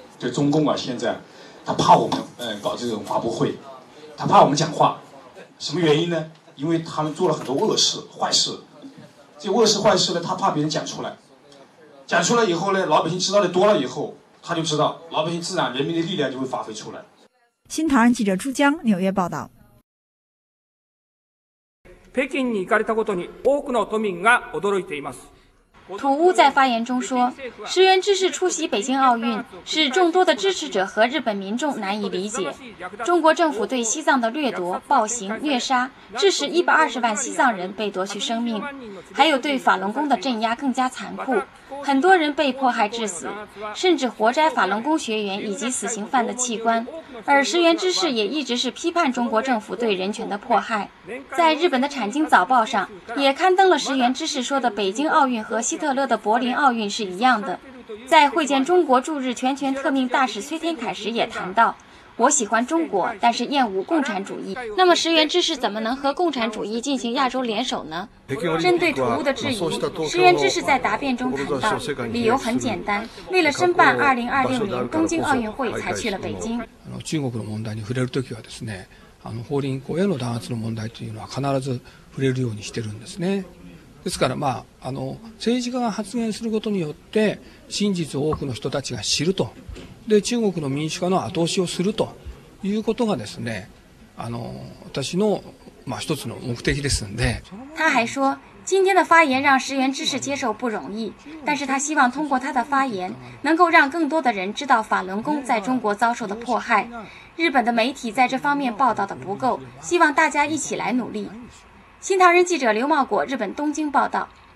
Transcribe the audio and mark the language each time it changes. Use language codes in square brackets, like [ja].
[zh] 这中共啊，现在他怕我们搞这种发布会，他怕我们讲话，什么原因呢？因为他们做了很多恶事坏事，这恶事坏事呢，他怕别人讲出来，讲出来以后呢，老百姓知道的多了以后，他就知道老百姓自然人民的力量就会发挥出来。新唐人记者朱江纽约报道。 [ja] 北京に行かれたことに多くの都民が驚いています。 [zh] 土屋在发言中说，石原知事出席北京奥运是众多的支持者和日本民众难以理解。中国政府对西藏的掠夺、暴行、虐杀，致使120万西藏人被夺去生命，还有对法轮功的镇压更加残酷，很多人被迫害致死，甚至活摘法轮功学员以及死刑犯的器官。而石原知事也一直是批判中国政府对人权的迫害。在日本的《产经早报》上也刊登了石原知事说的北京奥运和希特勒的柏林奥运是一样的。在会见中国驻日全权特命大使崔天凯时也谈到，我喜欢中国，但是厌恶共产主义。那么石原知事怎么能和共产主义进行亚洲联手呢？针对土屋的质疑，石原知事在答辩中谈到，理由很简单，为了申办2026年东京奥运会才去了北京。 [ja] 中国的问题に触れるときはですね、法輪功への弾圧の問題というのは必ず触れるようにしてるんですね。ですから、政治家が発言することによって真実を多くの人たちが知ると、で中国の民主化の後押しをするということがですね、私の、一つの目的ですので。 [zh] 他还说，今天的发言让石原知事接受不容易，但是他希望通过他的发言能够让更多的人知道法轮功在中国遭受的迫害，日本的媒体在这方面报道的不够，希望大家一起来努力。新唐人记者刘茂果，日本东京报道。